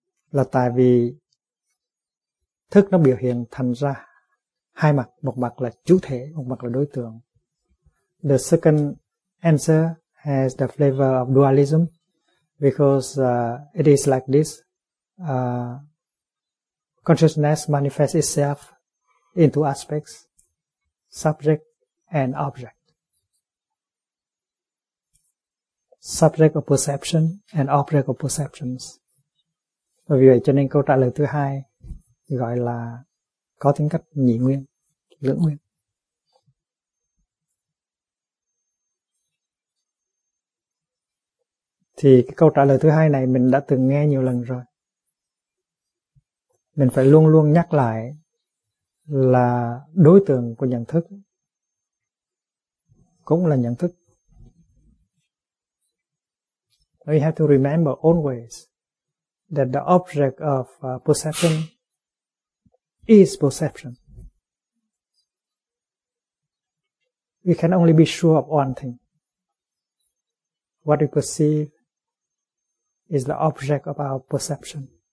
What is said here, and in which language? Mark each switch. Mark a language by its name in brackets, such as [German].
[Vietnamese] Là tại vì thức nó biểu hiện thành ra hai mặt, một mặt là chủ thể, một mặt là đối tượng. [English] The second answer has the flavor of dualism, because it is like this. Consciousness manifests itself in two aspects, subject and object. Subject of perception and object of perceptions. [Vietnamese] Vì vậy cho nên câu trả lời thứ hai gọi là có tính cách nhị nguyên. Lưỡng nguyên. Thì cái câu trả lời thứ hai này mình đã từng nghe nhiều lần rồi. Mình phải luôn luôn nhắc lại là đối tượng của nhận thức cũng là nhận thức. [English] We have to remember always that the object of perception is perception. We can only be sure of one thing. What we perceive is the object of our perception.